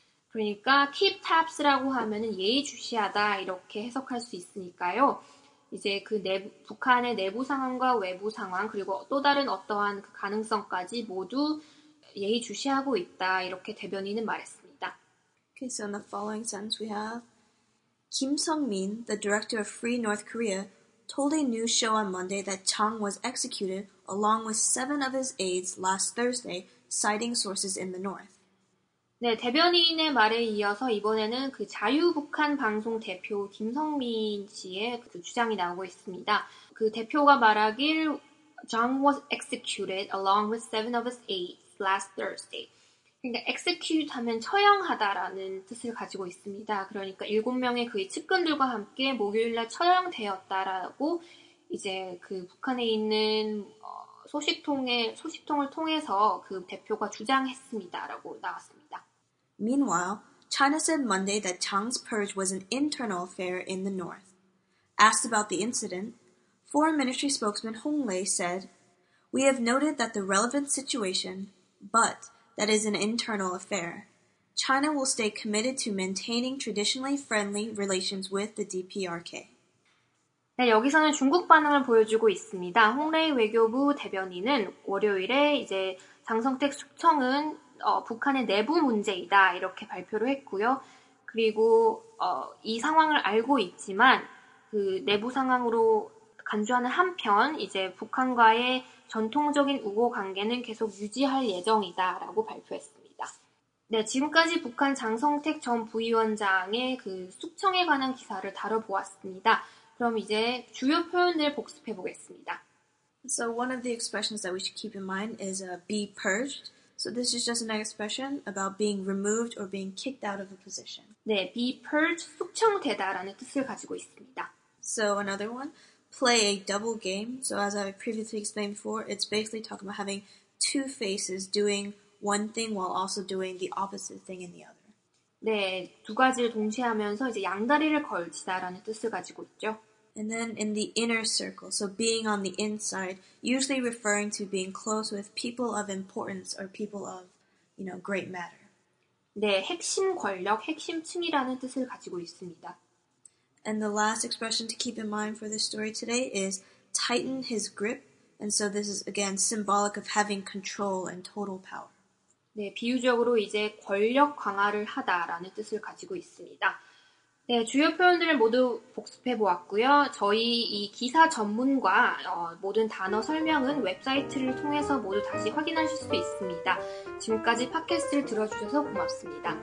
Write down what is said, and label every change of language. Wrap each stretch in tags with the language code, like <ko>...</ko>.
<ko>그러니까 keep tabs라고 하면은 예의주시하다 이렇게 해석할 수 있으니까요. 이제 그 내부 북한의 내부 상황과 외부 상황 그리고 또 다른 어떠한 그 가능성까지 모두 예의주시하고 있다 이렇게 대변인은 말했습니다.</ko> <en>Okay, so in the following sentence we have Kim Sung-min, the director of Free North Korea, told a news show on Monday that Jung was executed along with seven of his aides last Thursday citing sources in the north.</en> <ko>네, 대변인의 말에 이어서 이번에는 그 자유북한 방송 대표 김성민 씨의 그 주장이 나오고 있습니다. 그 대표가 말하길</ko> <en>Zhang was executed along with seven of his aides last Thursday.</en> <ko>그러니까 execute 하면 처형하다라는 뜻을 가지고 있습니다. 그러니까 일곱 명의 그의 측근들과 함께 목요일날 처형되었다라고 이제 그 북한에 있는 소식통을 통해서 그 대표가 주장했습니다라고 나왔습니다.</ko> <en>Meanwhile, China said Monday that Zhang's purge was an internal affair in the north. Asked about the incident, Foreign Ministry spokesman Hong Lei said, We have noted that the relevant situation, but that is an internal affair. China will stay committed to maintaining traditionally friendly relations with the DPRK.</en> <ko>네, 여기서는 중국 반응을 보여주고 있습니다. 홍레이 외교부 대변인은 월요일에 이제 장성택 숙청은 북한의 내부 문제이다 이렇게 발표를 했고요. 그리고 이 상황을 알고 있지만 그 내부 상황으로 간주하는 한편 이제 북한과의 전통적인 우호 관계는 계속 유지할 예정이다라고 발표했습니다. 네, 지금까지 북한 장성택 전 부위원장의 그 숙청에 관한 기사를 다뤄보았습니다. 그럼 이제 주요 표현들 복습해 보겠습니다.</ko> <en>So one of the expressions that we should keep in mind is be purged. So this is just an expression about being removed or being kicked out of a position.</en> <ko>네, be purged, 숙청되다라는 뜻을 가지고 있습니다.</ko> <en>So another one, play a double game. So as I previously explained before, it's basically talking about having two faces, doing one thing while also doing the opposite thing in the other.</en> <ko>네, 두 가지를 동시에 하면서 이제 양다리를 걸치다라는 뜻을 가지고 있죠.</ko> <en>And then in the inner circle, so being on the inside, usually referring to being close with people of importance or people of, you know, great matter.</en> <ko>네, 핵심 권력, 핵심층이라는 뜻을 가지고 있습니다.</ko> <en>And the last expression to keep in mind for this story today is tighten his grip. And so this is, again, symbolic of having control and total power.</en> <ko>네, 비유적으로 이제 권력 강화를 하다라는 뜻을 가지고 있습니다. 네, 주요 표현들을 모두 복습해 보았고요. 저희 이 기사 전문과 모든 단어 설명은 웹사이트를 통해서 모두 다시 확인하실 수 있습니다. 지금까지 팟캐스트를 들어주셔서 고맙습니다.</ko>